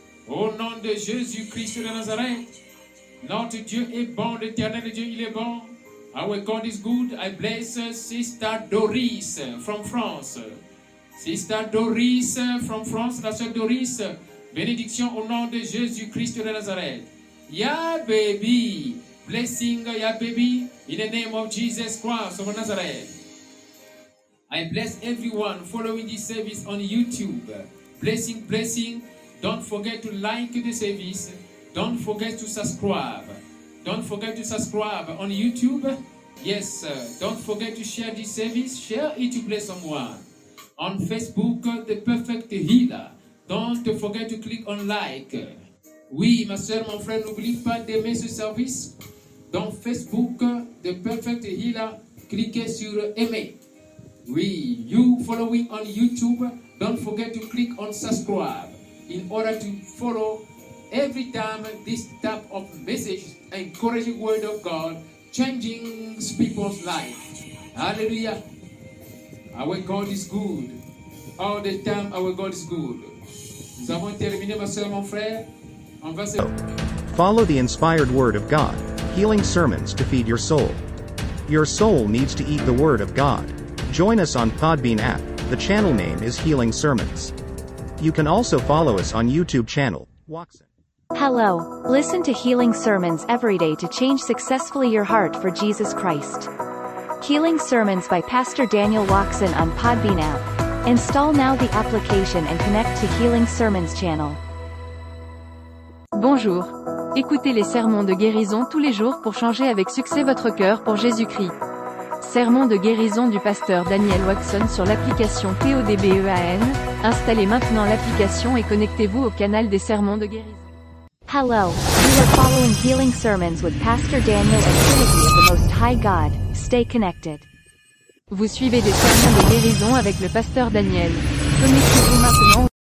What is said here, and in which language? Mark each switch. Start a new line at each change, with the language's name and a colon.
French: Au nom de Jésus-Christ de Nazareth, notre Dieu est bon, l'éternel Dieu, il est bon.
English: Our God is good. I bless Sister Doris from France. Sister Doris from France,
French: la sœur Doris, bénédiction au nom de Jésus Christ de Nazareth.
English: Ya baby, blessing ya baby, in the name of Jesus Christ of Nazareth. I bless everyone following this service on YouTube. Blessing, blessing. Don't forget to like the service. Don't forget to subscribe. Don't forget to subscribe on YouTube. Yes, don't forget to share this service. Share it to bless someone. On Facebook, The Perfect Healer. Don't forget to click on like.
French: Oui, ma soeur, mon frère, n'oublie pas d'aimer ce service. Dans Facebook, The Perfect Healer, cliquez sur aimer.
English: Oui, you following on YouTube, don't forget to click on subscribe in order to follow every time this type of message, encouraging word of God, changing people's life. Hallelujah. Our God is good. All the time, our God is good.
French: Nous avons terminé, ma soeur, mon frère. On va se...
English: Follow the inspired word of God, healing sermons to feed your soul. Your soul needs to eat the word of God. Join us on Podbean app, the channel name is Healing Sermons. You can also follow us on YouTube channel. Hello, listen to Healing Sermons every day to change successfully your heart for Jesus Christ. Healing Sermons by Pastor Daniel Waxon on Podbean app. Install now the application and connect to Healing Sermons channel.
French: Bonjour, écoutez les sermons de guérison tous les jours pour changer avec succès votre cœur pour Jésus-Christ. Sermon de guérison du pasteur Daniel Waxon sur l'application PODBEAN. Installez maintenant l'application et connectez-vous au canal des sermons de guérison.
English: Hello, you are following Healing Sermons with Pastor Daniel and Trinity of the Most High God. Stay connected.
French: Vous suivez des sermons de guérison avec le pasteur Daniel. Connectez-vous maintenant.